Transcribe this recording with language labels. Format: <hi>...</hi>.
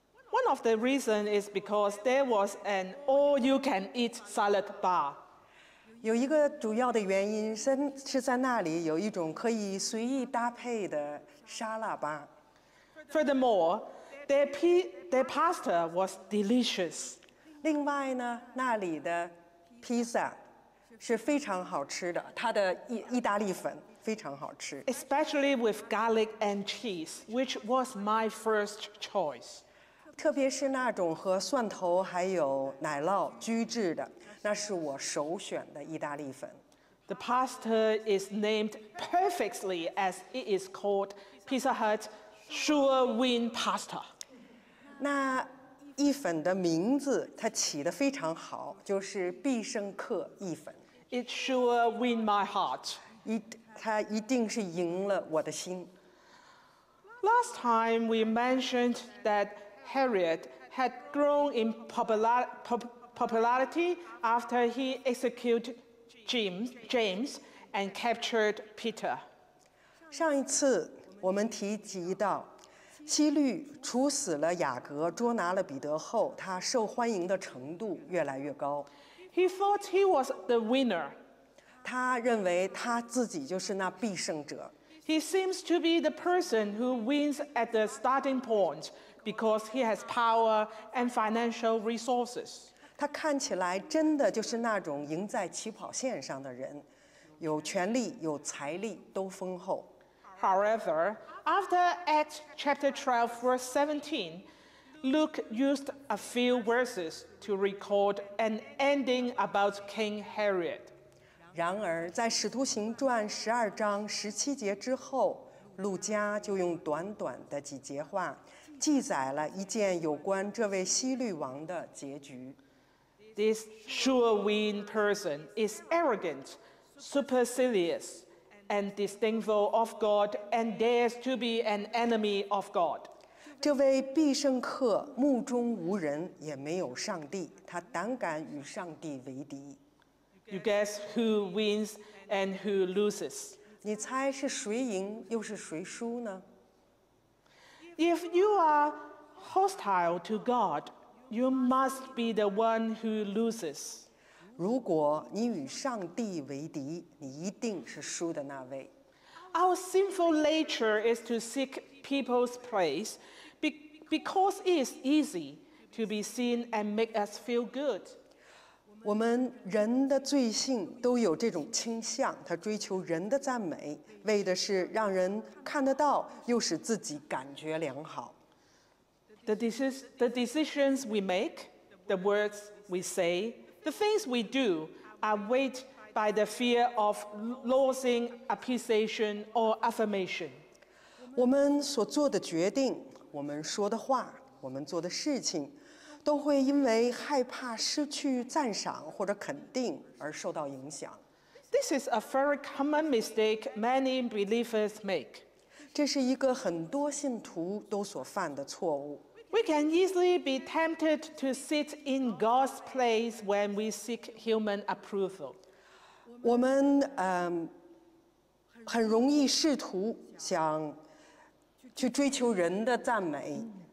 <en>One of the reasons is because there was an all-you-can-eat salad bar.</en> <zh>有一个主要的原因是在那里有一种可以随意搭配的沙拉吧。</zh> <en>Furthermore, their pasta was delicious.</en> <zh>另外呢，那里的 pizza 是非常好吃的，它的意大利粉非常好吃。</zh> <en>Especially with garlic and cheese, which was my first choice.</en> <zh>特别是那种和蒜头还有奶酪焗制的，那是我首选的意大利粉。</zh> <en>The pasta is named perfectly as it is called Pizza Hut Sure Win Pasta.</en> <zh>那意粉的名字它起得非常好，就是必胜客意粉。</zh> <en>It sure win my heart.</en> <zh>它一定是赢了我的心。</zh> <en>Last time we mentioned that. Harriet had grown in popularity after he executed James and captured Peter.</en> <zh>上一次我们提及到，希律处死了雅各，捉拿了彼得后，他受欢迎的程度越来越高。</zh> <en>He thought he was the winner.</en> <zh>他认为他自己就是那必胜者。</zh> <en>He seems to be the person who wins at the starting point. Because he has power and financial resources.</en> <zh>他看起来真的就是那种赢在起跑线上的人，有权力，有财力，都丰厚。</zh> <en>However, after Acts chapter 12, verse 17, Luke used a few verses to record an ending about King Herod.</en> <zh>然而，在《使徒行传》十二章十七节之后，路加就用短短的几节话。记载了一件有关这位希律王的结局。</zh> <en>This sure-win person is arrogant, supercilious, and disdainful of God, and dares to be an enemy of God.</en> <zh>这位必胜客目中无人，也没有上帝，他胆敢与上帝为敌。</zh> <en>You guess who wins and who loses?</en> <zh>你猜是谁赢，又是谁输呢？</zh> <en>If you are hostile to God, you must be the one who loses.</en> <zh>如果你与上帝为敌，你一定是输的那位。</zh> <en>Our sinful nature is to seek people's praise because it is easy to be seen and make us feel good.</en> <zh>我们人的罪性都有这种倾向，他追求人的赞美，为的是让人看得到，又使自己感觉良好。</zh> <en>The decisions we make, the words we say, the things we do are weighed by the fear of losing appreciation or affirmation.</en> <zh>我们所做的决定，我们说的话，我们做的事情，都会因为害怕失去赞赏或者肯定而受到影响。</zh> <en>This is a very common mistake many believers make.</en> <zh>这是一个很多信徒都所犯的错误。</zh> <en>We can easily be tempted to sit in God's place when we seek human approval.</en> <zh>我们很容易试图想去追求人的赞美。</zh>